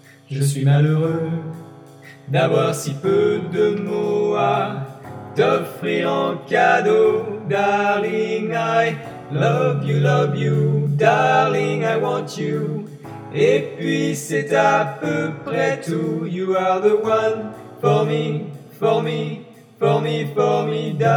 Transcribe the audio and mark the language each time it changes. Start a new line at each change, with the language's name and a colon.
French: Je suis malheureux d'avoir si peu de mots à t'offrir en cadeau.
English: Darling, I love you, darling, I want you.
French: Et puis c'est à peu près tout.
English: You are the one for me, for me, for me, formidable.